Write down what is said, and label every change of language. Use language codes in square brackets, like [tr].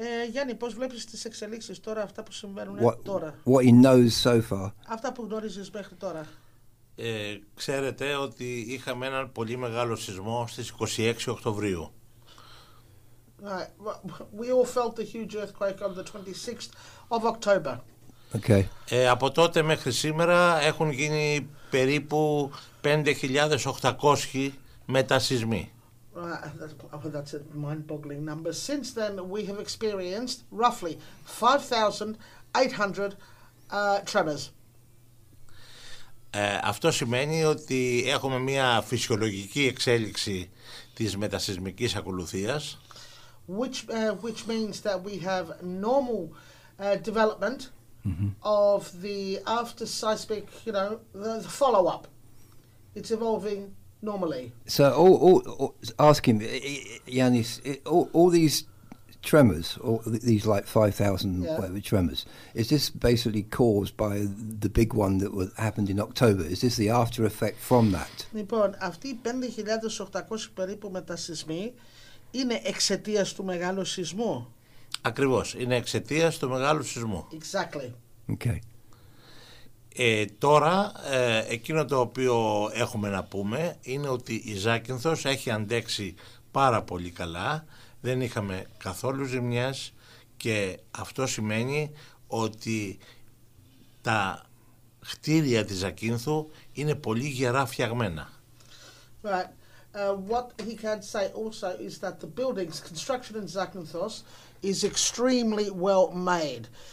[el] Γιάννη, πώς βλέπεις τις εξελίξεις τώρα, αυτά που συμβαίνουν τώρα. [en] What he knows so far. [el] Αυτά που γνωρίζεις μέχρι τώρα. Ξέρετε ότι είχαμε έναν πολύ μεγάλο σεισμό στις 26 Οκτωβρίου. [en] Right. We all felt the huge earthquake on the 26th of October. Okay. [el] Από τότε μέχρι σήμερα έχουν γίνει περίπου 5.800 μετασεισμοί. [en] That's a mind-boggling number. Since then, we have experienced roughly 5,800 tremors. [el] Αυτό σημαίνει ότι έχουμε μια φυσιολογική εξέλιξη της μετασεισμικής ακολουθίας. [en] Which means that we have normal development of the after seismic, you know, the follow-up. It's evolving normally. So, Yanis, all these tremors, or these like 5,000 whatever tremors, is this basically caused by the big one that happened in October? Is this the after effect from that? [el] Λοιπόν, αυτοί οι 5,800 περίπου μετασεισμοί είναι εξαιτίας του μεγάλου σεισμού. Ακριβώς, είναι εξαιτίας του μεγάλου σεισμού. [en] Exactly. Okay. [el] Τώρα, εκείνο το οποίο έχουμε να πούμε είναι ότι η Ζάκυνθος έχει αντέξει πάρα πολύ καλά. Δεν είχαμε καθόλου ζημιές και αυτό σημαίνει ότι τα χτίρια της Ζακύνθου είναι πολύ γερά φτιαγμένα. [en] Right. What he can say also is that the buildings, construction in Zakynthos is extremely well made.